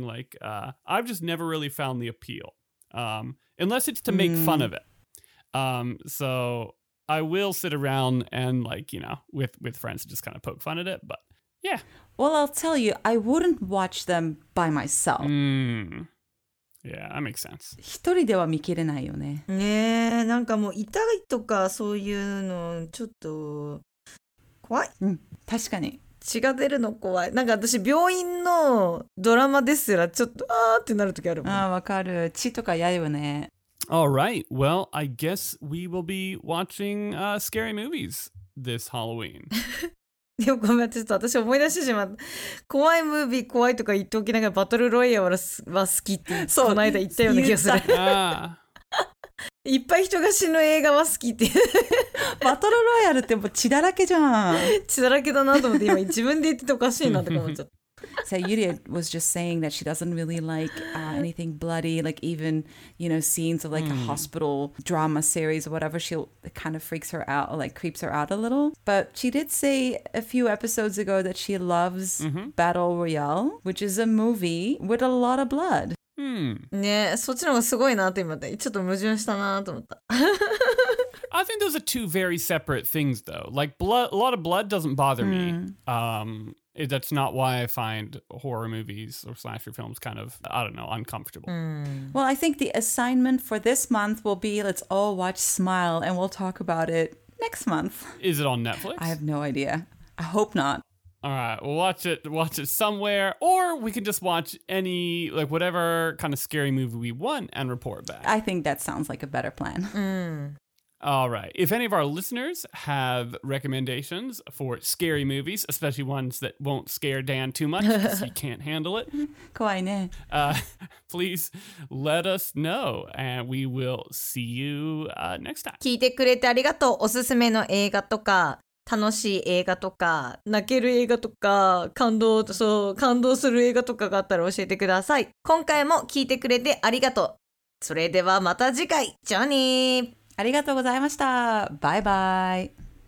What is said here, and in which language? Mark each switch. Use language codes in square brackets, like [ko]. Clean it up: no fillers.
[en] Like, I've just never really found the appeal. Unless it's to make fun of it. So I will sit around and like, you know, with friends and just kind of poke fun at it. But yeah. Well, I'll tell you, I wouldn't watch them by myself. Yeah, that makes sense. [ja] 一人では見切れないよね。ねえ、なんかもう痛いとかそういうのちょっと… [en] What? [ja] 確かに血が出るの怖い。なんか私病院のドラマですらちょっとあーってなる時あるもん。あーわかる。血とか嫌よね。 [en] All right. Well, I guess we will be watching scary movies this Halloween. [ja] でもごめん、ちょっと私思い出してしまった。怖いムービー怖いとか言っておきながらバトルロイヤルは好きってそうこの間言ったような気がする。いっぱい人が死ぬ映画は好きってバトルロイヤルってもう血だらけじゃん血だらけだなと思って今自分で言ってておかしいなって思っちゃった [en] So Yuri was just saying that she doesn't really like anything bloody, like even, you know, scenes of like a hospital drama series or whatever, she kind of freaks her out or like creeps her out a little. But she did say a few episodes ago that she loves Battle Royale, which is a movie with a lot of blood. [ja] ね、そっちの方がすごいなって今ってちょっと矛盾したなと思った。 [en] I think those are two very separate things though. Like blood, a lot of blood doesn't bother me. That's not why I find horror movies or slasher films kind of, I don't know, uncomfortable. Well, I think the assignment for this month will be let's all watch Smile and we'll talk about it next month. Is it on Netflix? I have no idea. I hope not. All right, watch it somewhere, or we can just watch any, like, whatever kind of scary movie we want and report back. I think that sounds like a better plan. All right. If any of our listeners have recommendations for scary movies, especially ones that won't scare Dan too much because he can't handle it, [ja] 怖いね。 [en] Please let us know, and we will see you next time. [ja] 聞いてくれてありがとう。おすすめの映画とか。楽しい映画とか、泣ける映画とか、感動する映画とかがあったら教えてください。今回も聞いてくれてありがとう。それではまた次回、ジョニー。ありがとうございました。バイバイ。